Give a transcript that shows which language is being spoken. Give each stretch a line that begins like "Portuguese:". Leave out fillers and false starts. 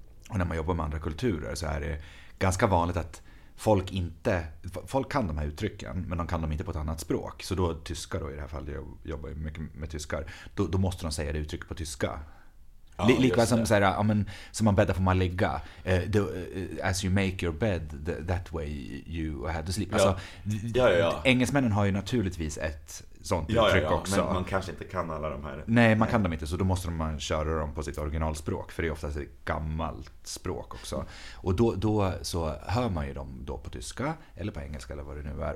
Swedish: Och när man jobbar med andra kulturer så är det ganska vanligt att folk inte... Folk kan de här uttrycken, men de kan dem inte på ett annat språk. Så då, tyskar då i det här fallet, jag jobbar ju mycket med tyskar. Då måste de säga det uttrycket på tyska. Likväl som så här, ja, men, som man bäddar får man ligga.
English: As you make your bed, that way you have to sleep.
Swedish: Ja. Alltså, ja. Engelsmännen har ju naturligtvis ett sånt uttryck också. Men man kanske inte kan alla de här. Nej, man kan dem inte, så då måste man köra dem på sitt originalspråk. För det är oftast ett gammalt språk också. Och då så hör man ju dem då på tyska, eller på engelska, eller vad det nu är.